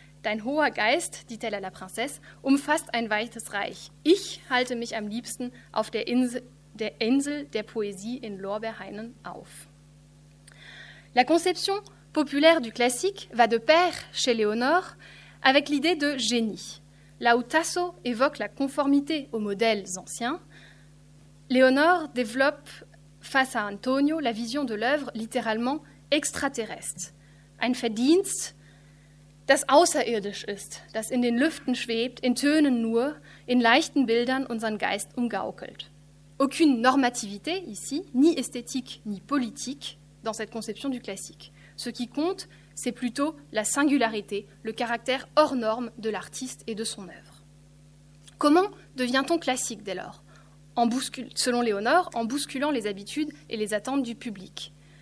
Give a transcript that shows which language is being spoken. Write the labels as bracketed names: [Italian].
[German] Dein hoher Geist, [French] dit-elle à la princesse, [German] umfasst ein weites Reich. Ich halte mich am liebsten auf der Insel der Poesie in Lorbeerhainen auf. [French] La conception populaire du classique va de pair chez Léonore avec l'idée de génie. Là où Tasso évoque la conformité aux modèles anciens, Léonore développe face à Antonio la vision de l'œuvre littéralement extraterrestre. [German] Ein Verdienst, das außerirdisch ist, das in den Lüften schwebt, in Tönen nur, in leichten Bildern unseren Geist umgaukelt. [French] Aucune normativité ici, ni esthétique ni politique, dans cette conception du classique. Ce qui compte, c'est plutôt la singularité, le caractère hors norme de l'artiste et de son œuvre. Comment devient-on classique dès lors ? Selon Léonore, en bousculant les habitudes et les attentes du public.